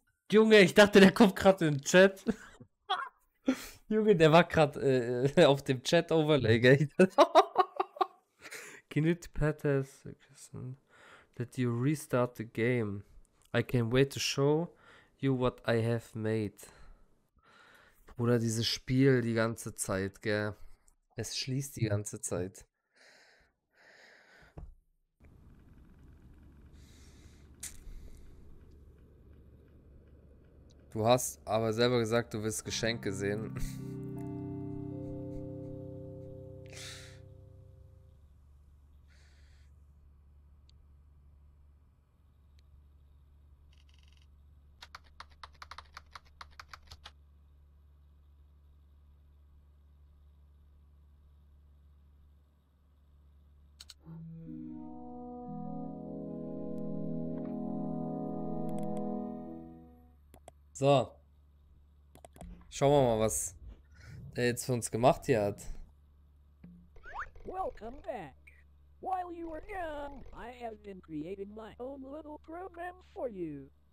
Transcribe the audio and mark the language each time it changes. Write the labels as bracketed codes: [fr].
[de] Junge, ich dachte, der kommt gerade in den Chat. Junge, der war gerade auf dem Chat-Overlay, gell? [en] Can you pass that you restart the game? I can't wait to show you what I have made. [de] Oder dieses Spiel die ganze Zeit, gell? Es schließt die ganze Zeit. Du hast aber selber gesagt, du willst Geschenke sehen. So, schauen wir mal, was er jetzt für uns gemacht hier hat. [en] Welcome back. While you were gone, I have been creating my own little program for you.